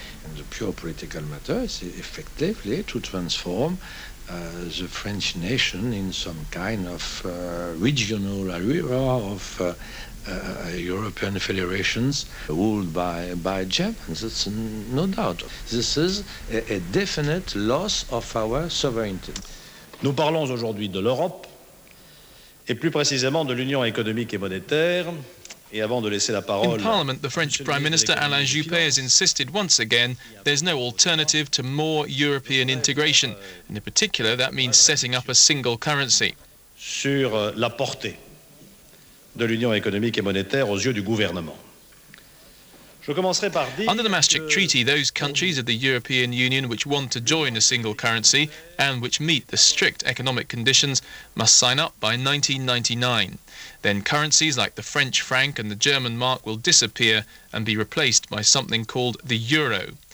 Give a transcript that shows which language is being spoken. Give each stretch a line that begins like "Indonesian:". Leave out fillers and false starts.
English: And the pure political matter is effectively to transform the French nation in some kind of regional area of European federations ruled by Germans. It's no doubt. This is a definite loss of our sovereignty.
French: Nous parlons aujourd'hui de l'Europe, et plus précisément de l'Union économique et monétaire.
English: In Parliament, the French Prime Minister Alain Juppé has insisted once again there's no alternative to more European integration, and in particular that means setting up a single currency.
French: Sur la portée de l'Union économique et monétaire aux yeux du gouvernement.
English: Under the Maastricht Treaty, those countries of the European Union which want to join a single currency and which meet the strict economic conditions must sign up by 1999. Then currencies like the French franc and the German mark will disappear and be replaced by something called the euro.